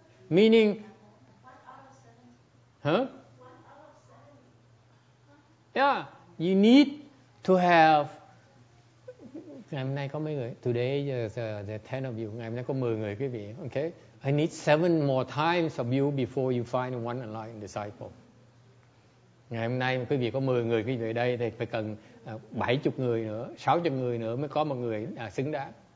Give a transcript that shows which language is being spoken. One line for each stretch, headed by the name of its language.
English: Meaning, huh? Yeah, you need to have
Vietnamese: ngày hôm nay có mấy người?
English: Today is the 10 of you.
Vietnamese: Ngày hôm nay có 10 người quý vị.
English: Okay. I need 7 more times of you before you find one enlightened disciple.
Vietnamese: Ngày hôm nay quý vị có 10 người quý vị ở đây thì phải cần 70 người nữa, 60 người nữa mới có một người xứng đáng.